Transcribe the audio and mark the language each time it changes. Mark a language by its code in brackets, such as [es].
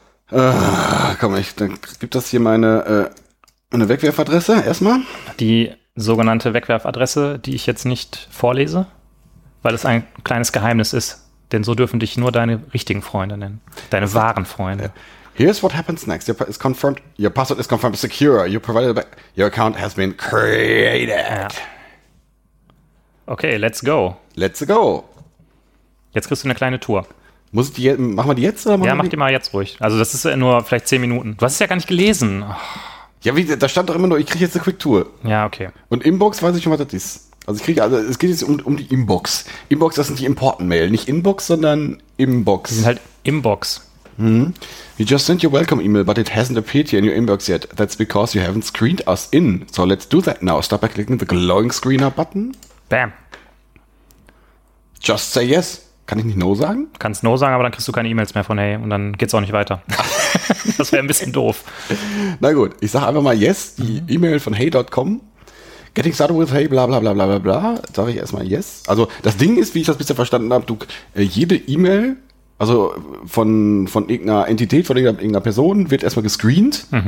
[de] Bam. Dann gibt das hier meine Wegwerfadresse erstmal. Die sogenannte Wegwerfadresse, die ich jetzt nicht vorlese, weil es ein kleines Geheimnis ist. Denn so dürfen dich nur deine richtigen Freunde nennen. Deine wahren Freunde. [en] Here's what happens next. Your password is confirmed secure. Your account has been created. [de] Ja. [en] Okay, let's go. Let's go. [de] Jetzt kriegst du eine kleine Tour. Machen wir die jetzt? Mach die mal jetzt ruhig. Also das ist nur vielleicht 10 Minuten. Du hast es ja gar nicht gelesen. Ja, da stand doch immer nur, ich kriege jetzt eine Quick Tour. Ja, okay. Und Inbox weiß ich schon, was das ist. Also es geht jetzt um die Inbox. Inbox, das sind die Important-Mail. Nicht Inbox, sondern Inbox. Die sind halt Inbox. Mm-hmm. [en] We just sent your welcome email, but it hasn't appeared here in your inbox yet. That's because you haven't screened us in. So let's do that now. Start by clicking the glowing screener button. Bam. Just say yes. [de] Kann ich nicht no sagen? Kannst no sagen, aber dann kriegst du keine E-Mails mehr von hey und dann geht's auch nicht weiter. Das wäre ein bisschen doof. Na gut, ich sag einfach mal yes, die E-Mail von hey.com. Getting started with hey, bla bla bla bla bla bla. Sag ich erstmal yes. Also das Ding ist, wie ich das bisher verstanden habe, jede E-Mail, also von irgendeiner Entität, von irgendeiner Person, wird erstmal gescreent.